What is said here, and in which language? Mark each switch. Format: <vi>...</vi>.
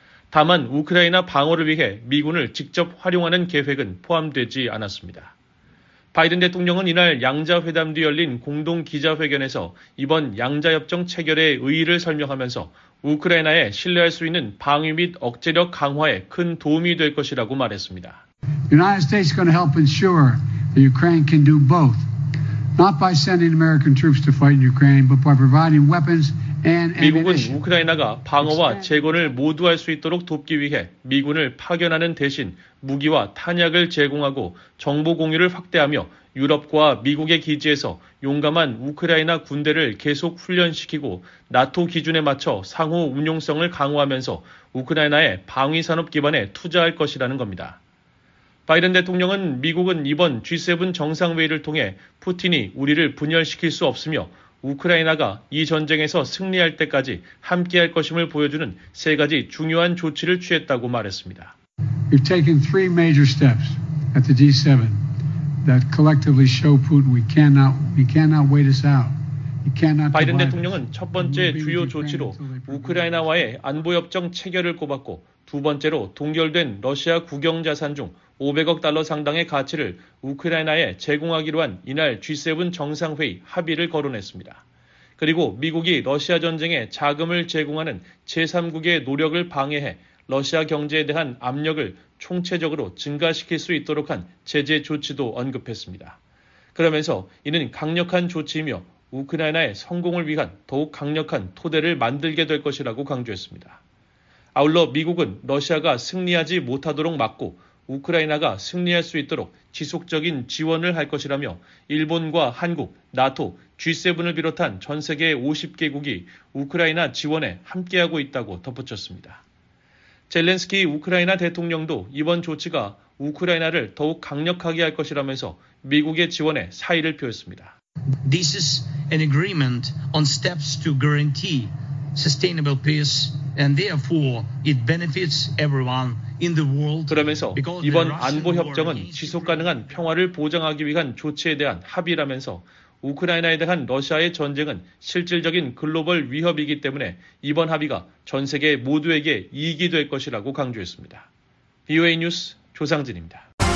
<ko>다만 우크라이나 방어를 위해 미군을 직접 활용하는 계획은 포함되지 않았습니다. 바이든 대통령은 이날 양자회담 뒤 열린 공동 기자회견에서 이번 양자협정 체결의 의의를 설명하면서 우크라이나에 신뢰할 수 있는 방위 및 억제력 강화에 큰 도움이 될 것이라고 말했습니다.</ko> <en>United States is going to help ensure that Ukraine can do both. Not by sending American troops to fight Ukraine, but by providing weapons.</en> <ko>미국은 우크라이나가 방어와 재건을 모두 할 수 있도록 돕기 위해 미군을 파견하는 대신 무기와 탄약을 제공하고 정보 공유를 확대하며 유럽과 미국의 기지에서 용감한 우크라이나 군대를 계속 훈련시키고 나토 기준에 맞춰 상호 운용성을 강화하면서 우크라이나의 방위산업 기반에 투자할 것이라는 겁니다. 바이든 대통령은 미국은 이번 G7 정상회의를 통해 푸틴이 우리를 분열시킬 수 없으며 우크라이나가 이 전쟁에서 승리할 때까지 함께할 것임을 보여주는 세 가지 중요한 조치를 취했다고 말했습니다.</ko> <en>We've taken three major steps at the G7 that collectively show Putin we cannot wait us out.</en> <ko>바이든 대통령은 첫 번째 주요 조치로 우크라이나와의 안보협정 체결을 꼽았고 두 번째로 동결된 러시아 국영자산 중 500억 달러 상당의 가치를 우크라이나에 제공하기로 한 이날 G7 정상회의 합의를 거론했습니다. 그리고 미국이 러시아 전쟁에 자금을 제공하는 제3국의 노력을 방해해 러시아 경제에 대한 압력을 총체적으로 증가시킬 수 있도록 한 제재 조치도 언급했습니다. 그러면서 이는 강력한 조치이며 우크라이나의 성공을 위한 더욱 강력한 토대를 만들게 될 것이라고 강조했습니다. 아울러 미국은 러시아가 승리하지 못하도록 막고 우크라이나가 승리할 수 있도록 지속적인 지원을 할 것이라며 일본과 한국, 나토, G7을 비롯한 전 세계 50개국이 우크라이나 지원에 함께하고 있다고 덧붙였습니다. 젤렌스키 우크라이나 대통령도 이번 조치가 우크라이나를 더욱 강력하게 할 것이라면서 미국의 지원에 사의를 표했습니다.</ko> <en>This is an agreement on steps to guarantee sustainable peace and therefore it benefits everyone in the world.</en> <ko>그러면서 이번 안보 협정은 지속 가능한 평화를 보장하기 위한 조치에 대한 합의라면서 우크라이나에 대한 러시아의 전쟁은 실질적인 글로벌 위협이기 때문에 이번 합의가 전 세계 모두에게 이익이 될 것이라고 강조했습니다. VOA 뉴스 조상진입니다.</ko>